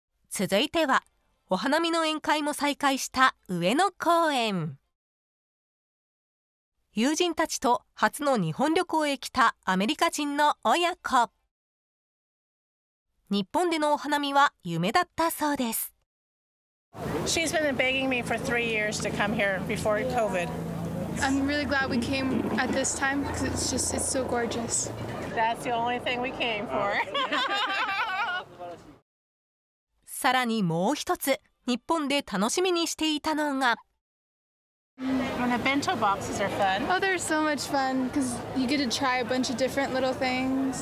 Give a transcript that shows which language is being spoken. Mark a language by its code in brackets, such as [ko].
[ja] 続いてはお花見の宴会も再開した上野公園。友人たちと初の日本旅行へ来たアメリカ人の親子。日本でのお花見は夢だったそうです。 [en] She's been begging me for 3 years to come here before COVID. I'm really glad we came at this time because it's just, it's so gorgeous. That's the only thing we came for. [ja] さらにもう一つ日本で楽しみにしていたのが、 [en] When the bento boxes are fun. Oh, they're so much fun because you get to try a bunch of different little things.